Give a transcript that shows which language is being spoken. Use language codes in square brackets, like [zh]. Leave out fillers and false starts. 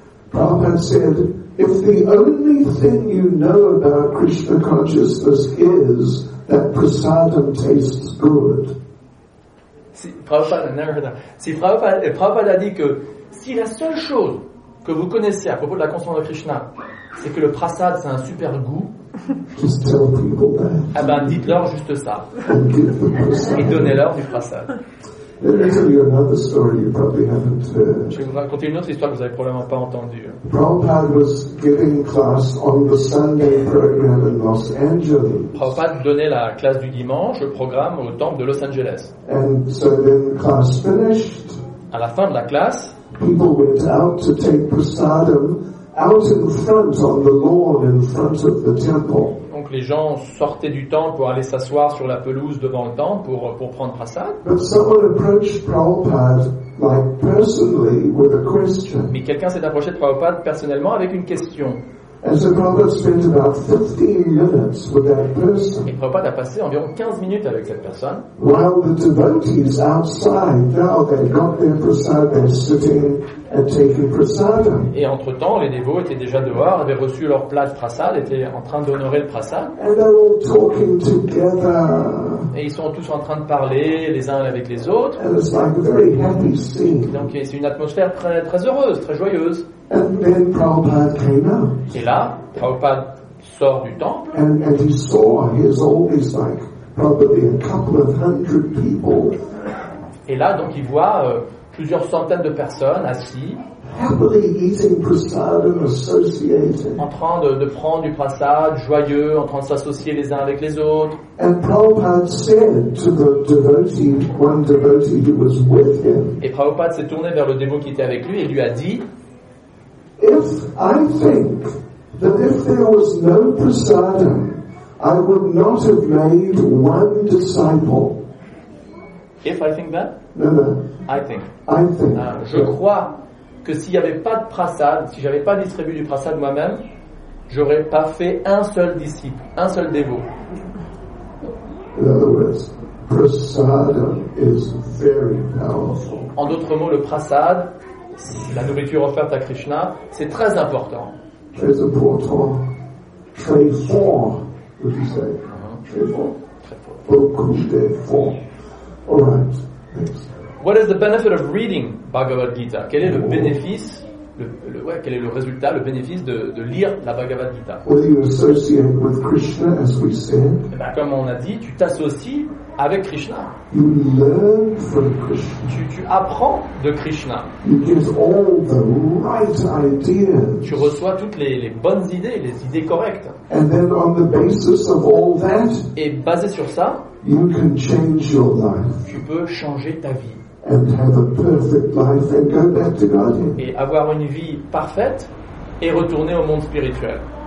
[en] Prabhupada said, if the only thing you know about Krishna consciousness is that prasadam tastes good. [fr] Prabhupada a dit que si la seule chose que vous connaissez à propos de la conscience de Krishna, c'est que le prasad c'est un super goût, [en] just tell people that. [fr] Eh ben, dites-leur juste ça. [en] And give them prasad. [fr] Et donnez-leur du prasad. [en] Let me tell you another story you probably haven't heard. [fr] Je vais vous raconter une autre histoire que vous avez probablement pas entendue. [en] Prabhupada was giving class on the Sunday program in Los Angeles. [fr] Prabhupada donnait la classe du dimanche, le programme au temple de Los Angeles. [en] And so then the class finished. [fr] À la fin de la classe, [en] people went out to take prasadam out in front on the lawn in front of the temple. [fr] Donc les gens sortaient du temple pour aller s'asseoir sur la pelouse devant le temple pour prendre prasad. [en] But someone approached Prabhupada, like, personally, with a question. [fr] Mais quelqu'un s'est approché de Prabhupada personnellement avec une question. [en] And so Prabhupada spent about 15 minutes with that person. [fr] Et Prabhupada a passé environ 15 minutes avec cette personne. [en] While the devotees outside, now they got their prasad, they're sitting and taking prasadam. [fr] Et entre temps, les dévots étaient déjà dehors, avaient reçu leur plat de prasad, étaient en train d'honorer le prasad. [en] And they're all talking together. [fr] Et ils sont tous en train de parler les uns avec les autres. [en] And it's like a very happy scene. [fr] Donc c'est une atmosphère très très heureuse, très joyeuse. [en] And then Prabhupada came out. [fr] Et là, Prabhupada sort du temple. [en] And he saw his oldest, like probably a couple of hundred people. [fr] Et là, donc, il voit plusieurs centaines de personnes assis. [en] Happily eating prasadam, associated. [fr] En train de prendre du prasad, joyeux, en train de s'associer les uns avec les autres. [en] And Prabhupada said to the devotee, one devotee who was with him. [fr] Et Prabhupada s'est tourné vers le dévot qui était avec lui et lui a dit. [en] If I think that if there was no prasadam, I would not have made one disciple. If I think that? No. I think. [fr] Je crois que s'il n'y avait pas de prasad, si je n'avais pas distribué du prasad moi-même, je n'aurais pas fait un seul disciple, un seul dévot. [en] In other words, prasadam is very powerful. [fr] En d'autres mots, le prasad, la nourriture offerte à Krishna, c'est très important. Très important. Très fort, [en] would you say? [fr] Très fort. Beaucoup de fort. [en] All right. What is the benefit of reading Bhagavad Gita? [fr] Quel est le bénéfice, quel est le résultat, le bénéfice de lire la Bhagavad Gita? [en] Well, you associate with Krishna, as we said. [fr] Et bien, comme on a dit, tu t'associes avec Krishna. [en] You learn from Krishna. [fr] Tu apprends de Krishna. [en] You get all the right ideas. [fr] Tu reçois toutes les bonnes idées, les idées correctes. [en] And then on the basis of all that, [fr] et basé sur ça, [en] you can change your life. [fr] Tu peux changer ta vie. [en] And have a perfect life and go back to Godhead. [fr] Et avoir une vie parfaite et retourner au monde spirituel.